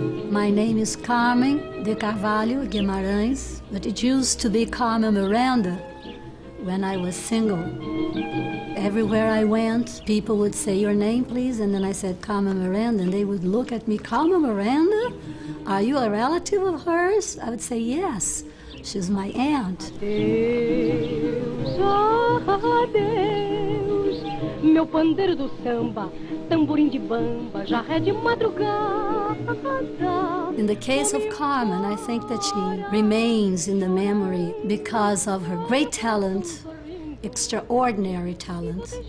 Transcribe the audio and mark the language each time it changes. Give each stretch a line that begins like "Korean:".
English: My name is Carmen de Carvalho Guimarães, but it used to be Carmen Miranda when I was single. Everywhere I went, people would say, your name, please? And then I said, Carmen Miranda, and they would look at me, Carmen Miranda? Are you a relative of hers? I would say, yes, she's my aunt.
Portuguese: Adeus, oh, adeus, meu pandeiro do samba, tamborim de bamba, já é de madrugada.
English: In the case of Carmen, I think that she remains in the memory because of her great talent, extraordinary talent.